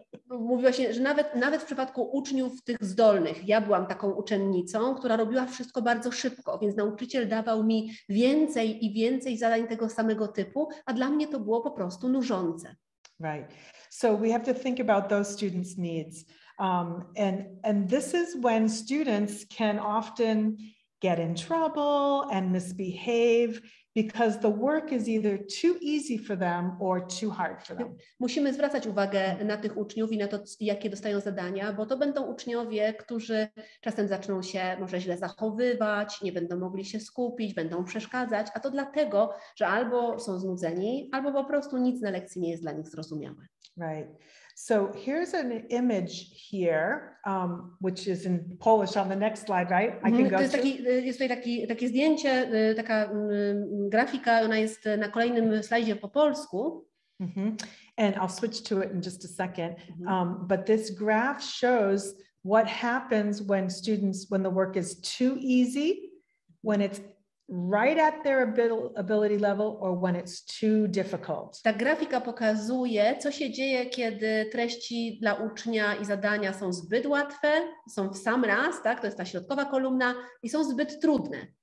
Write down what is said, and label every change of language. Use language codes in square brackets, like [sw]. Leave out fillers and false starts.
[pl] Mówi właśnie, że nawet w przypadku uczniów tych zdolnych, ja byłam taką uczennicą, która robiła wszystko bardzo szybko, więc nauczyciel dawał mi więcej i więcej zadań tego samego typu, a dla mnie to było po prostu nużące. [en] Right. So we have to think about those students' needs. And this is when students can often get in trouble and misbehave, because the work is either too easy for them or too hard for them. [pl] Musimy zwracać uwagę na tych uczniów i na to, jakie dostają zadania, bo to będą uczniowie, którzy czasem zaczną się może źle zachowywać, nie będą mogli się skupić, będą przeszkadzać, a to dlatego, że albo są znudzeni, albo po prostu nic na lekcji nie jest dla nich zrozumiałe. [en] Right. So here's an image here, which is in Polish on the next slide, right? I can go to. [pl] Jest tutaj takie zdjęcie, taka grafika, ona jest na kolejnym slajdzie po polsku. Mm-hmm. [en] And I'll switch to it in just a second. But this graph shows what happens when the work is too easy, when it's right at their ability level, or when it's too difficult. [pl] Ta grafika pokazuje, co się dzieje, kiedy treści dla ucznia i zadania są zbyt łatwe, są w sam raz, tak? To jest ta środkowa kolumna, i są zbyt trudne.